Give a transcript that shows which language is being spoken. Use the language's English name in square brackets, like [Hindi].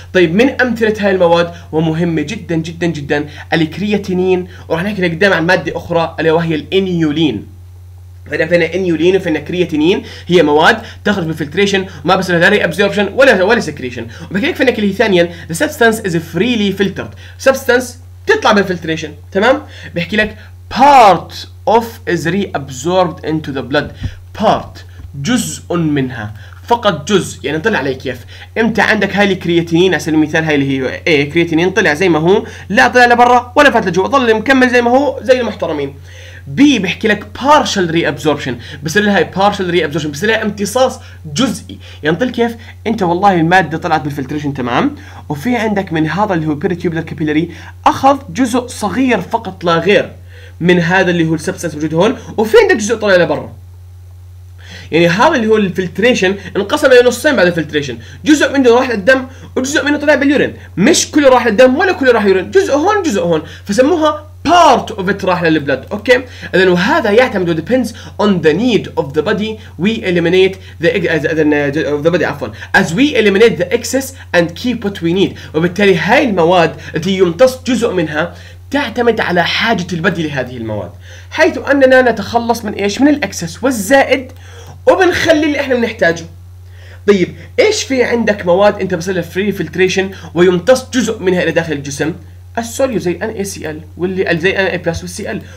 [Arabic] طيب من امثله هاي المواد ومهمه جدا جدا جدا الكرياتينين، وراح نحكي لقدام عن ماده اخرى الا وهي الانيولين. فانا انيولين وفانا كرياتينين هي مواد تخرج بالفلتريشن وما بصير لها ري ابزوربشن ولا سكريشن. وبحكي لك فانك اللي هي ثانيا [English] the substance is freely filtered. substance [Arabic] تطلع بالفلتريشن، تمام؟ بحكي لك [English] part of is reabsorbed into the blood. [Arabic] part جزء منها، فقط جزء. يعني طلع عليك كيف؟ امتى عندك هاي الكرياتينين على سبيل المثال، هاي اللي هي ايه كرياتينين طلع زي ما هو، لا طلع لبرا ولا فات لجوا، ظل مكمل زي ما هو زي المحترمين. بي بحكي لك partial reabsorption، بصير لها partial reabsorption، بصير لها امتصاص جزئي. يعني طلع كيف؟ انت والله المادة طلعت بالفلتريشن تمام، وفي عندك من هذا اللي هو peritubular capillary اخذ جزء صغير فقط لا غير من هذا اللي هو substance موجود هون، وفي عندك جزء طلع لبرا. يعني هذا اللي هو الفلتريشن انقسم الى نصين بعد الفلتريشن، جزء منه راح للدم وجزء منه طلع باليورين، مش كله راح للدم ولا كله راح يورين، جزء هون جزء هون، فسموها [English] part of it [Arabic] راح للبلد. اوكي، اذا وهذا يعتمد [English] depends on the need of the body we eliminate the of the body [Arabic] عفوا [English] as we eliminate the excess and keep what we need. [Arabic] وبالتالي هاي المواد التي يمتص جزء منها تعتمد على حاجة البدي لهذه المواد، حيث اننا نتخلص من ايش؟ من الاكسس والزائد وبنخلي اللي احنا بنحتاجه. طيب ايش في عندك مواد انت بصير لها free filtration ويمتص جزء منها الى داخل الجسم؟ السوليو زي ان اي سي ال واللي زي ان اي بلس والسي ال.